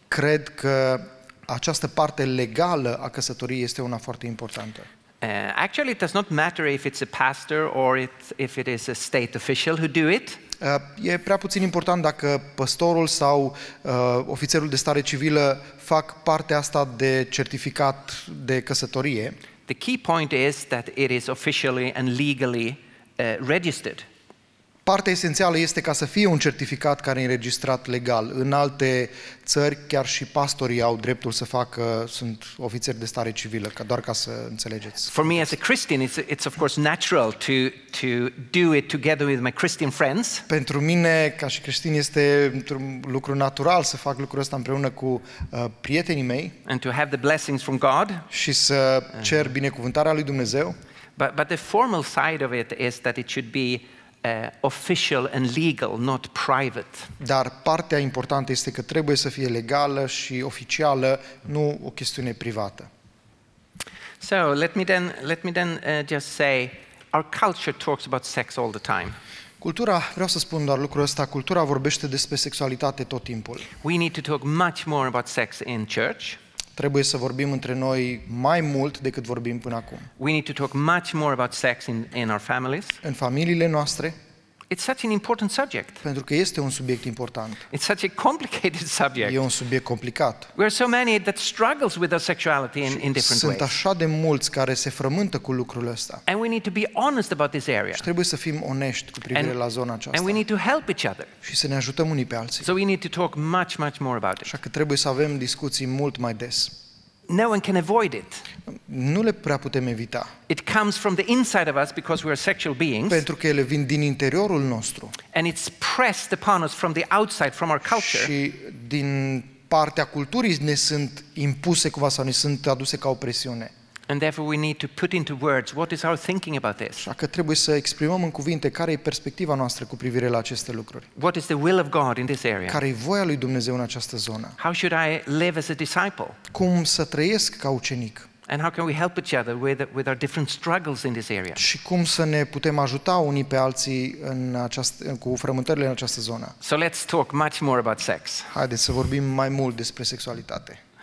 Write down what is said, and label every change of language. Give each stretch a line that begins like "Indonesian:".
Romanian: Cred că această parte legală a căsătoriei este una foarte importantă.
English: Actually it does not matter if it's a pastor or if it is a state official who do it.
Romanian: E prea puțin important dacă păstorul sau ofițerul de stare civilă fac partea asta de certificat de căsătorie.
English: The key point is that it is officially and legally registered.
Romanian: Partea esențială este ca să fie un certificat care e înregistrat legal. În alte țări chiar și pastorii au dreptul să facă, sunt ofițeri de stare civilă, ca doar ca să înțelegeți.
English: For me as a Christian it's of course natural to do it together with my Christian friends.
Romanian: Pentru mine ca și creștin este un lucru natural să fac lucrul ăsta împreună cu prietenii mei.
English: And to have the blessings from God.
Romanian: Și să cer binecuvântarea lui Dumnezeu.
English: But the formal side of it is that it should be official and legal, not private.
Romanian: Dar partea importantă este că trebuie să fie legală și oficială, nu o chestiune privată.
English: So, let me then just say our culture talks about sex all the time.
Romanian: Cultura, vreau să spun doar lucrul ăsta, cultura vorbește despre sexualitate tot timpul.
English: We need to talk much more about sex in church.
Romanian: Trebuie să vorbim între noi mai mult decât vorbim până acum.
English: We need to talk much more about sex in our families.
Romanian: În familiile noastre.
English: It's such an important subject.
Romanian: Pentru că este un subiect important.
English: It's such a complicated subject.
Romanian: E un subiect complicat.
English: We are so many that struggles with our sexuality in different ways.
Romanian: Sunt așa de mulți care se frământă cu lucrul ăsta.
English: And we need to be honest about this area.
Romanian: Și trebuie să fim onești cu privire la zona aceasta.
English: And we need to help each other.
Romanian: Și să ne ajutăm unii pe alții.
English: So we need to talk much, much more about it.
Romanian: Așa că trebuie să avem discuții mult mai des.
English: No one can avoid it.
Romanian: Nu le prea putem evita.
English: It comes from the inside of us because we are sexual beings.
Romanian: Pentru că ele vin din interiorul nostru.
English: And it's pressed upon us from the outside, from our culture.
Romanian: Și din partea culturii ne sunt impuse cumva sau ne sunt aduse ca o presiune.
English: And therefore we need to put into words what is our thinking about this.
Romanian: Așa că trebuie să exprimăm în cuvinte care e perspectiva noastră cu privire la aceste lucruri.
English: What is the will of God in this area?
Romanian: Care e voia lui Dumnezeu în această zonă?
English: How should I live as a disciple?
Romanian: Cum să trăiesc ca ucenic?
English: And how can we help each other with our different struggles in this area?
Romanian: Și cum să ne putem ajuta unii pe alții cu frământările în această zonă?
English: So let's talk much more about sex.
Romanian: Haideți să vorbim mai mult despre sexualitate.